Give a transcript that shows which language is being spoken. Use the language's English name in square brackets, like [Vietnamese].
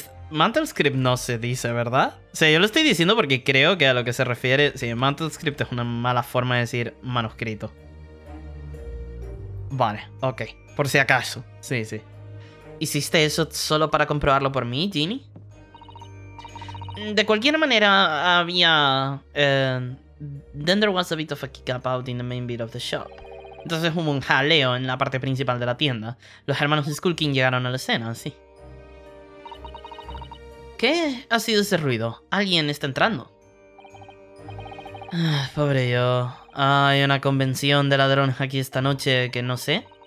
[Spanish] Mantle script no se dice, ¿verdad? O sea, yo lo estoy diciendo porque creo que a lo que se refiere... Sí, mantle script es una mala forma de decir manuscrito. Vale, ok. Por si acaso. Sí, sí. ¿Hiciste eso solo para comprobarlo por mí, Ginny? De cualquier manera, había... [English] Then there was a bit of a kick up out in the main bit of the shop. [Spanish] Entonces hubo un jaleo en la parte principal de la tienda. Los hermanos Skulkin llegaron a la escena, sí. ¿Qué ha sido ese ruido? ¿Alguien está entrando? Ay, pobre yo. Hay una convención de ladrones aquí esta noche que no sé.